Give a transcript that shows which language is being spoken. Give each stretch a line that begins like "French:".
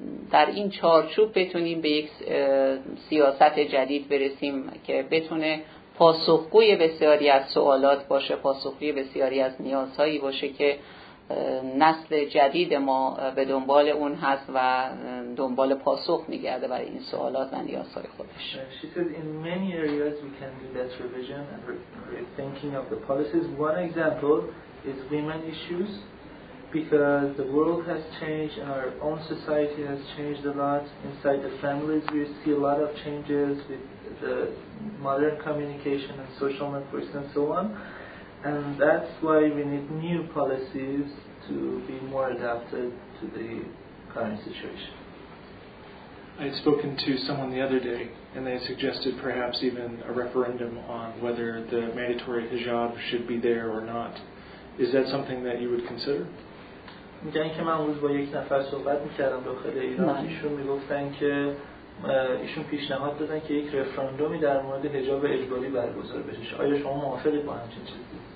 Persian: در این چارچوب بتونیم به یک سیاست جدید برسیم که بتونه پاسخگوی بسیاری از سوالات باشه، پاسخگوی بسیاری از نیازهایی باشه که نسل جدید ما به دنبال اون هست و دنبال پاسخ میگرده برای این سوالات و نیازهای خودش.
English: She said in many areas we can do that revision and rethinking of the policies. One example is women issues, because the world has changed and our own society has changed a lot. Inside the families we see a lot of changes with the modern communication and social networks and so on. And that's why we need new policies to be more adapted to the current situation. I had spoken to someone the other day, and they suggested perhaps even a referendum on whether the mandatory hijab should be there or not. Is that something that you would consider?
Persian: میگن که من روز با یک نفر صحبت میکردم داخل ایران. ایشون میگفتن که ایشون پیشنهاد دادن که یک رفراندومی در مورد حجاب اجباری برگزار بشه. آیا شما موافقی با همچین چیزی؟